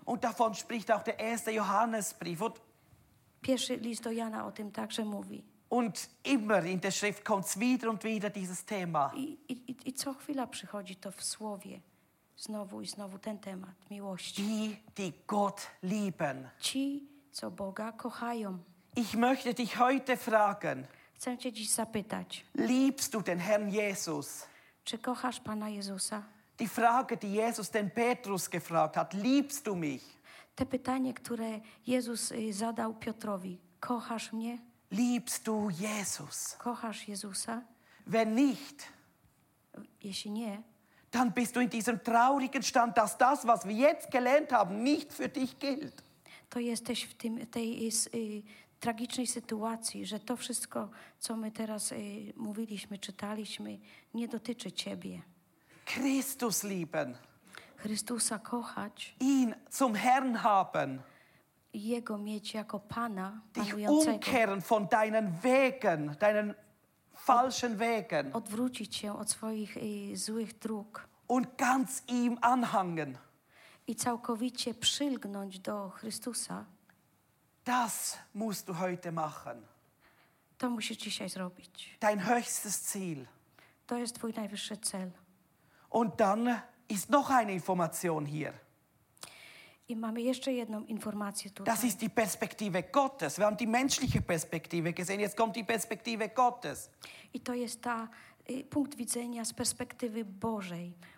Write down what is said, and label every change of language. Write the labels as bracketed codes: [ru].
[de] Und davon spricht auch der erste Johannesbrief. [pl] Pierwszy list do Jana o tym także mówi. [de] Und immer in der Schrift kommt es wieder und wieder dieses Thema. [pl] I co chwila przychodzi to w Słowie. Znowu i znowu ten temat miłości. [de] Die, die Gott lieben. [pl] Ci, co Boga kochają. [de] Ich möchte dich heute fragen. [pl] Chcę cię dziś zapytać. [de] Liebst du den Herrn Jesus? [pl] Czy kochasz Pana Jezusa? [de] Die Frage, die Jesus den Petrus gefragt hat. Liebst du mich? [pl] Te pytanie, które Jezus zadał Piotrowi. Kochasz mnie? [de] Liebst du Jesus? [pl] Kochasz Jezusa? [de] Wenn nicht, [pl] jeśli nie, [de] dann bist du in diesem traurigen Stand, dass das, was wir jetzt gelernt haben, nicht für dich gilt. [pl] To jesteś w tym, tej tragicznej sytuacji, że to wszystko, co my teraz mówiliśmy, czytaliśmy, nie dotyczy ciebie. [de] Christus lieben. [pl] Chrystusa kochać. [de] Ihn zum Herrn haben. [pl] Jego mieć jako Pana, [de] dich umkehren von deinen Wegen, deinen falschen Wegen. [pl] Odwrócić się od swoich złych dróg. [de] Und ganz ihm anhangen. [pl] I całkowicie przylgnąć do Chrystusa. [de] Das musst du heute machen. [pl] To musisz dzisiaj zrobić. [de] Dein höchstes Ziel. [pl] To jest twój najwyższy cel. [de] Und dann ist noch eine Information hier. [pl] I mamy jeszcze jedną informację tutaj. [de] Das ist die Perspektive Gottes. Wir haben die menschliche Perspektive gesehen. Jetzt kommt die Perspektive Gottes. [pl] I to jest ta punkt widzenia z perspektywy Bożej.